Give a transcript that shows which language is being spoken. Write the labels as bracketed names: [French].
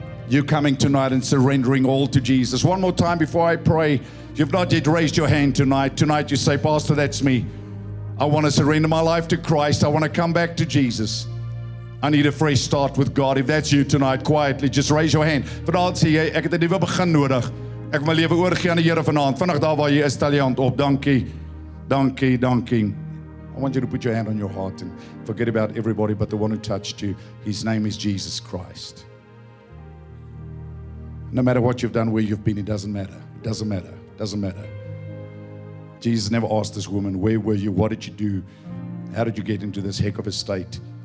[English] You coming tonight and surrendering all to Jesus. One more time before I pray, you've not yet raised your hand tonight. Tonight you say, Pastor, that's me. I want to surrender my life to Christ. I want to come back to Jesus. I need a fresh start with God. If that's you tonight, quietly, just raise your hand. [Afrikaans] Vanaand sê jy, ek het 'n nuwe begin nodig. Ek wil my lewe oorgee aan die Here vanaand. Vinnig daar waar jy is, stel jou hand op. Dankie, dankie, dankie. [English] I want you to put your hand on your heart and forget about everybody but the one who touched you. His name is Jesus Christ. No matter what you've done, where you've been, it doesn't matter. It doesn't matter. It doesn't matter. Jesus never asked this woman, where were you? What did you do? How did you get into this heck of a state?